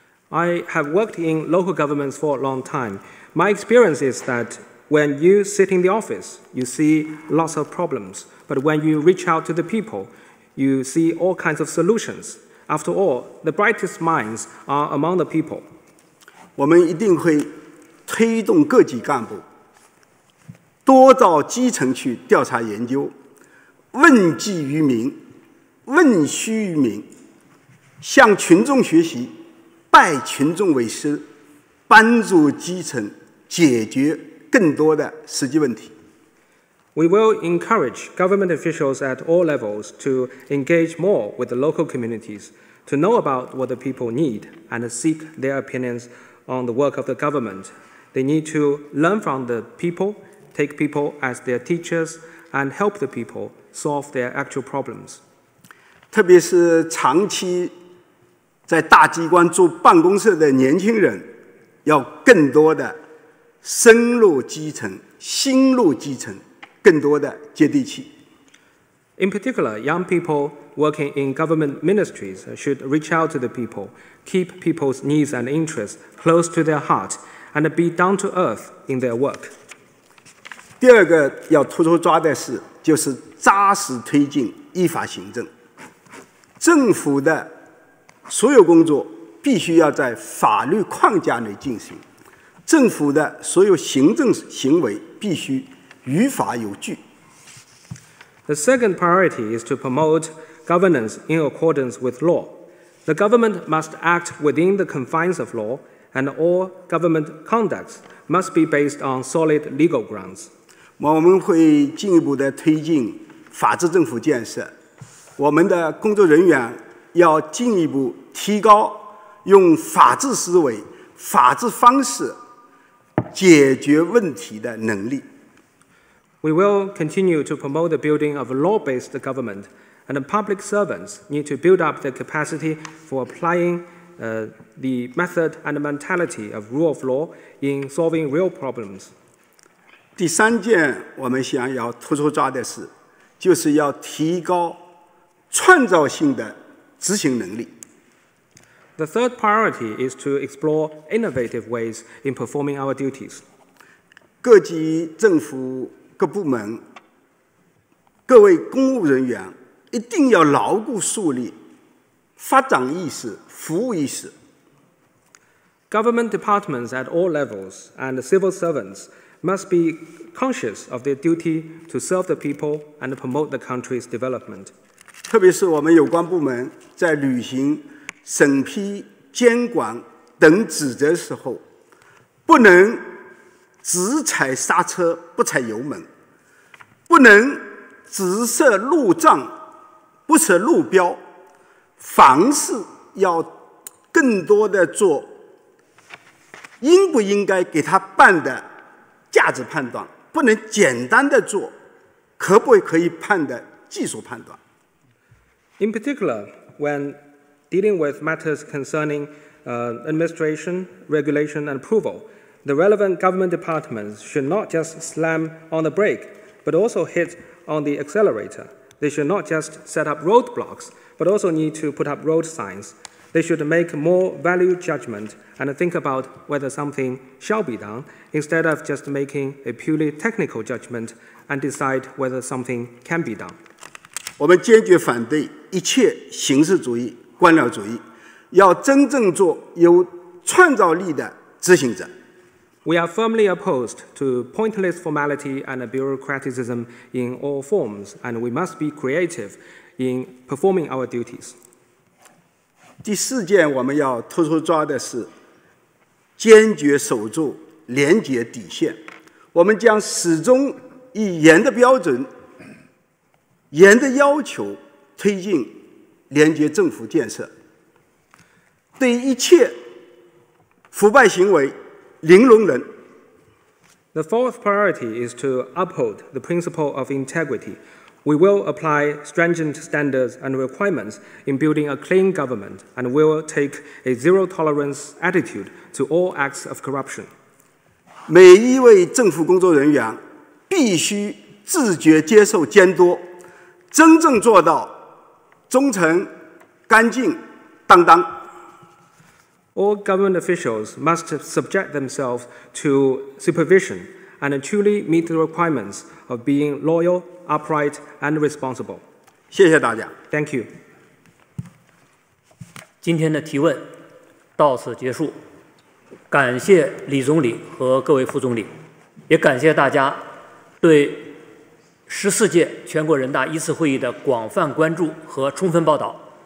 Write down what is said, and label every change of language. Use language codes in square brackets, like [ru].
[en] I have worked in local governments for a long time. My experience is that when you sit in the office, you see lots of problems. But when you reach out to the people, you see all kinds of solutions. After all, the brightest minds are among the people. [zh] 我们一定会推动各级干部多到基层去调查研究，问计于民，问需于民，向群众学习，拜群众为师，帮助基层解决更多的实际问题。 [en] We will encourage government officials at all levels to engage more with the local communities, to know about what the people need and seek their opinions on the work of the government. They need to learn from the people, take people as their teachers, and help the people solve their actual problems. [zh] 特别是长期在大机关住办公室的年轻人，要更多的深入基层，心入基层，更多的接地气。 [en] In particular, young people working in government ministries should reach out to the people, keep people's needs and interests close to their heart, and be down to earth in their work. [zh] 第二个要突出抓的是，就是扎实推进依法行政。政府的所有工作必须要在法律框架内进行，政府的所有行政行为必须于法有据。 [en] The second priority is to promote governance in accordance with law. The government must act within the confines of law, and all government conducts must be based on solid legal grounds. [zh] 我们会进一步的推进法治政府建设，我们的工作人员要进一步提高用法治思维、法治方式解决问题的能力。 [en] We will continue to promote the building of a law-based government, and the public servants need to build up the capacity for applying the method and the mentality of rule of law in solving real problems. [zh] 第三件我们想要突出抓的是，就是要提高创造性的执行能力。 [en] The third priority is to explore innovative ways in performing our duties. [zh] 各级政府各部门、各位公务人员一定要牢固树立发展意识、服务意识。 [en] Government departments at all levels and civil servants must be conscious of their duty to serve the people and promote the country's development. [zh] 特别是我们有关部门在履行审批、监管等职责时候，不能只踩刹车不踩油门。不能只设路障不设路标，凡事要更多的做应不应该给他办的价值判断，不能简单的做可不可以判的技术判断。 [en] In particular, when dealing with matters concerning administration, regulation, and approval, the relevant government departments should not just slam on the brake, but also hit on the accelerator. They should not just set up roadblocks, but also need to put up road signs. They should make more value judgment and think about whether something shall be done, instead of just making a purely technical judgment and decide whether something can be done. [zh] 我们坚决反对一切形式主义、官僚主义，要真正做有创造力的执行者。 [en] We are firmly opposed to pointless formality and bureaucraticism in all forms, and we must be creative in performing our duties. [zh] 第四件我们要突出抓的是坚决守住廉洁底线。我们将始终以严的标准、严的要求推进廉洁政府建设。对一切腐败行为零容忍。 [en] The fourth priority is to uphold the principle of integrity. We will apply stringent standards and requirements in building a clean government and will take a zero tolerance attitude to all acts of corruption. [zh] 每一位政府工作人员必须自觉接受监督，真正做到忠诚、干净、当当。 [en] All government officials must subject themselves to supervision and truly meet the requirements of being loyal, upright, and responsible. [zh] 谢谢大家。 [en] Thank you. [zh] 今天的提问到此结束，感谢李总理和各位副总理，也感谢大家对十四届全国人大一次会议的广泛关注和充分报道。